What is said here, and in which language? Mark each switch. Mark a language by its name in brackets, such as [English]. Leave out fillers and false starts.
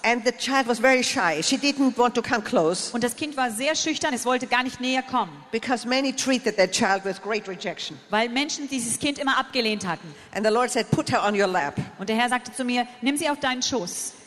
[English] And the child was very shy. She didn't want to come close. [German] Und das Kind war sehr schüchtern, es wollte gar nicht näher kommen. [English] Because many treated that child with great rejection. [German] Weil Menschen dieses Kind immer abgelehnt hatten. [English] And the Lord said, put her on your lap. [German] Und der Herr sagte zu mir, nimm sie auf deinen Schoß.